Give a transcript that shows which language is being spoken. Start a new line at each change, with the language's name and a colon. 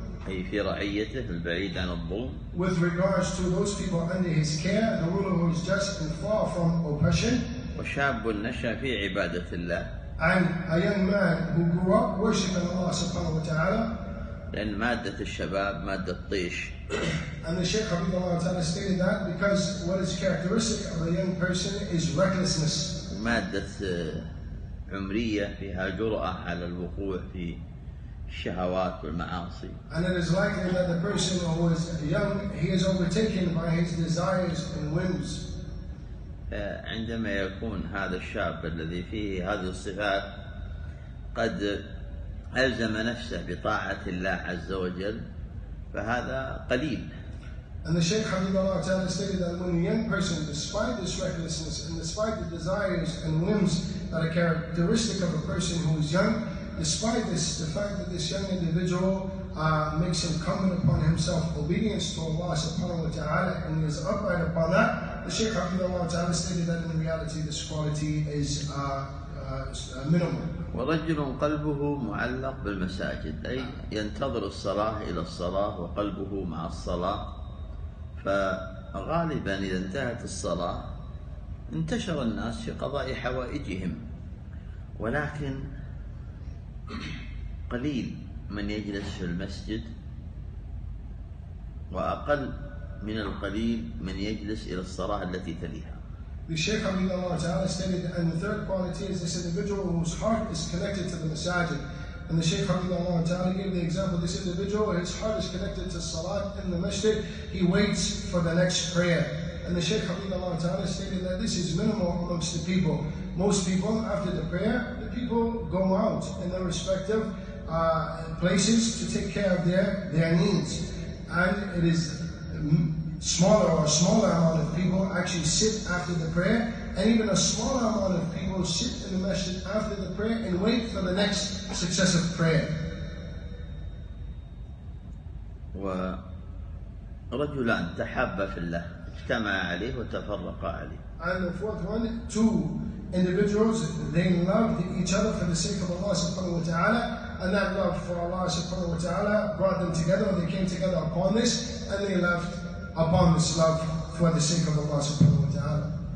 Arabic: أي في رعيته البعيد عن الظلم.
English: With regards to those people under his care, the ruler who is just and far from oppression.
Arabic: وشاب نشأ في عبادة الله.
English: And a young man who grew up worshiping Allah
Arabic: سبحانه وتعالى. لأن مادة الشباب مادة الطيش.
English: And the Shaykh Habibullah Ta'ala stated that because what is characteristic of a young person is recklessness.
Arabic: مادة عمرية فيها جرأة على الوقوع في الشهوات والمعاصي.
English: And it is likely that the person who is young, he is overtaken by his desires and whims.
Arabic: عندما يكون هذا الشاب الذي فيه هذه الصفات قد ألزم نفسه بطاعة الله عز وجل فهذا قليل.
English: And the Shaykh Habibullah Ta'ala stated that when a young person, despite this recklessness and despite the desires and whims that are characteristic of a person who is young, despite this, the fact that this young individual makes incumbent upon himself obedience to Allah subhanahu wa ta'ala and is upright upon that, the Shaykh Abdullah Ta'ala stated that in reality this quality is minimal.
Arabic: ورجل قلبه معلق بالمساجد أي ينتظر الصلاة إلى الصلاة وقلبه مع الصلاة فغالبا إذا انتهت الصلاة انتشر الناس في قضاء حوائجهم ولكن قليل من يجلس في المسجد وأقل من القليل من يجلس إلى الصلاة التي تليها.
English: The Shaykh Habibullah Ta'ala stated, and the third quality is this individual whose heart is connected to the masajid. And the Shaykh Habibullah Ta'ala gave the example, this individual, his heart is connected to salat in the masjid, he waits for the next prayer. And the Shaykh Habibullah Ta'ala stated that this is minimal amongst the people. Most people, after the prayer, the people go out in their respective places to take care of their needs. And it is a smaller amount of people actually sit after the prayer, and even a smaller amount of people sit in the masjid after the prayer and wait for the next successive prayer.
Arabic: ورجلان تحب في الله اجتمع عليه وتفرق عليه.
English: And the fourth one, two individuals, they loved each other for the sake of Allah subhanahu wa ta'ala, and that love for Allah subhanahu wa ta'ala brought them together, they came together upon this, and they left upon this love for the sake of Allah subhanahu wa ta'ala.